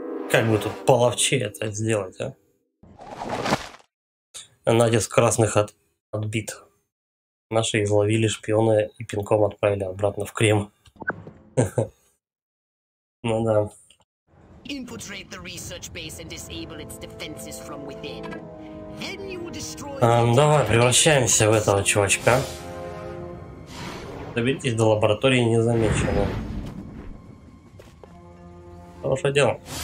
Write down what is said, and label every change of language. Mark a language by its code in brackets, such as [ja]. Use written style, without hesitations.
[ru] Как бы тут половче это сделать, а? Натиск красных отбит. Наши изловили шпионы и пинком отправили обратно в Крем. Ну да. [en] Infiltrate the research base and disable its defenses from within. Then you will destroy. [ru] Давай превращаемся в этого чувачка. Доберитесь до лаборатории незамеченным. Хорошее дело.